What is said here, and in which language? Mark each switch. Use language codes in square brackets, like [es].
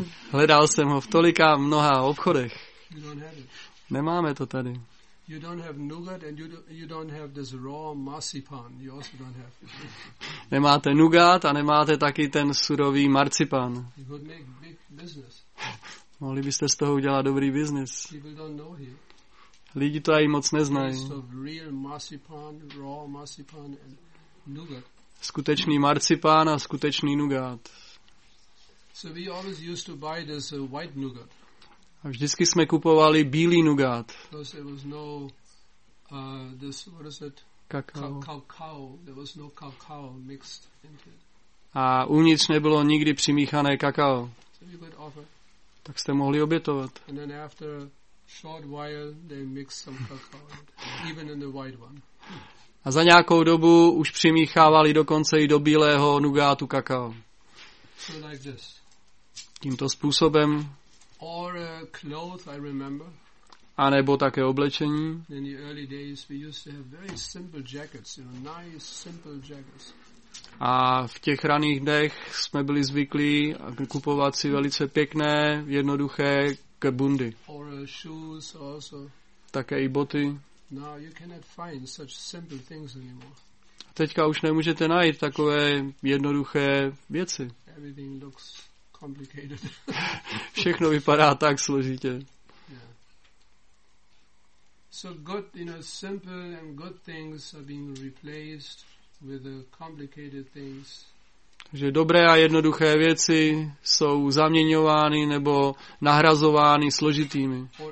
[cs] Hledal jsem ho v tolika mnoha obchodech. [en] You don't have it. [cs] Nemáme to tady. [en] You don't have nougat and you don't have this raw marzipan. You also don't have. [cs] Nemáte nougat a nemáte taky ten surový marzipan. [en] You could make big business. [cs] Mohli byste z toho udělat dobrý business. [en] People don't know here. [cs] Lidi to ani moc neznají. [en] Real marzipan, raw marzipan and nougat. [cs] Skutečný marcipán a skutečný nougat. [en] So we always used to buy this white nougat. [cs] A vždycky jsme kupovali bílý nougat. [en] Because there was no this, what is it? Cacao. There was no cacao mixed into it. [cs] A uvnitř nebylo nikdy přimíchané kakao. [en] So we could offer. [cs] Tak jste mohli obětovat. [en] And then after a short while they mixed some cacao even in the white one. [cs] A za nějakou dobu už přimíchávali dokonce i do bílého nugátu kakao. [en] So like this. [cs] Tímto způsobem. [en] Or a cloth, I remember. [cs] A nebo také oblečení. [en] In the early days we used to have very simple jackets, you know, nice simple jackets. [cs] A v těch raných dnech jsme byli zvyklí kupovat si velice pěkné, jednoduché bundy. [en] Or shoes also. [cs] Také i boty. [en] Now you cannot find such simple things anymore. [cs] Teďka už nemůžete najít takové jednoduché věci. [en] Everything looks complicated. [cs] Všechno vypadá tak složitě. Yeah. [en] So good, you know, simple and good things are being replaced with the complicated things. [cs] Takže dobré a jednoduché věci jsou zaměňovány nebo nahrazovány složitými.